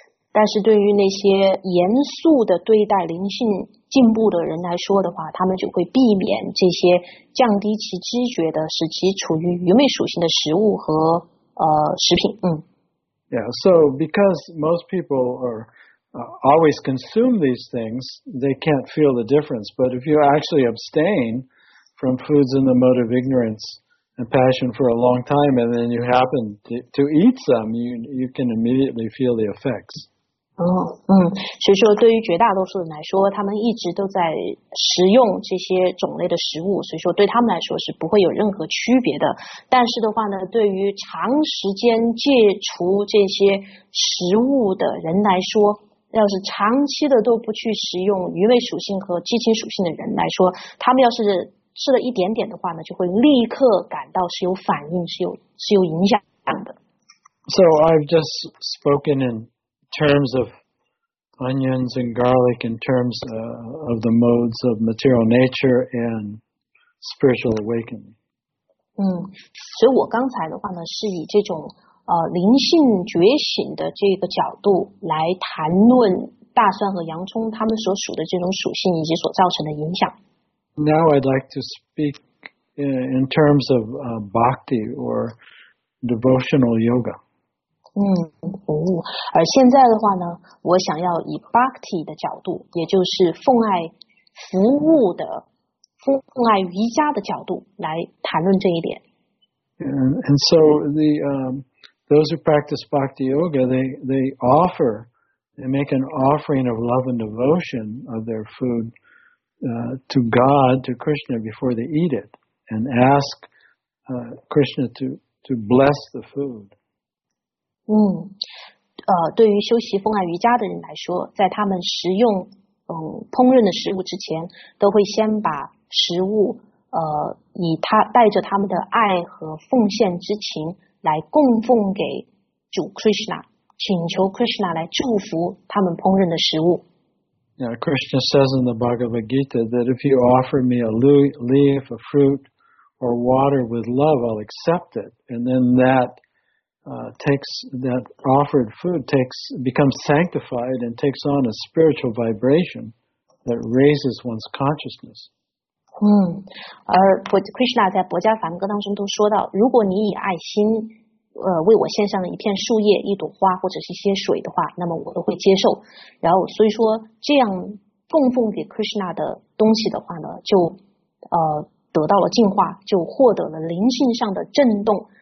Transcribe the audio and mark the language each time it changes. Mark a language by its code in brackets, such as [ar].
[zh] 但是对于那些严肃的对待灵性进步的人来说的话，他们就会避免这些降低其知觉的使其处于愚昧属性的食物和食品。 [en] Yeah, so because most people are always consume these things, they can't feel the difference. But if you actually abstain from foods in the mode of ignorance and passion for a long time, and then you happen to eat some, you can immediately feel the effects. [zh] 所以说对于绝大多数人来说，他们一直都在食用这些种类的食物，所以说对他们来说是不会有任何区别的。但是的话呢，对于长时间戒除这些食物的人来说，要是长期的都不去食用愚昧属性和激情属性的人来说，他们要是吃了一点点的话呢，就会立刻感到是有反应，是有影响的。 [en] So I've just spoken interms of onions and garlic, in terms of the modes of material nature and spiritual awakening. [zh] 所以我刚才的话呢，是以这种灵性觉醒的这个角度来谈论大蒜和洋葱他们所属的这种属性以及所造成的影响。 [en] Now I'd like to speak in terms of bhakti or devotional yoga. [zh] 而现在的话呢，我想要以 Bhakti 的角度，也就是奉爱服务的奉爱瑜伽的角度来谈论这一点。 [en] And so the, those who practice Bhakti Yoga, they offer, they make an offering of love and devotion of their food, to God, to Krishna before they eat it, and ask, Krishna to bless the food. [zh] 嗯，对于修习奉爱瑜伽的人来说，在他们食用烹饪的食物之前，都会先把食物以他带着他们的爱和奉献之情来供奉给主 Krishna， 请求 Krishna 来祝福他们烹饪的食物。 [en] Yeah, Krishna says in the Bhagavad Gita that if you offer me a leaf, a fruit, or water with love, I'll accept it. And then that, takes, that offered food takes, becomes sanctified and takes on a spiritual vibration that raises one's consciousness. [zh] 嗯，而 Krishna 在《薄伽梵歌》当中都说到，如果你以爱心，为我献上了一片树叶、一朵花或者是一些水的话，那么我都会接受。然后，所以说这样供奉给 Krishna 的东西的话呢，就得到了净化，就获得了灵性上的震动。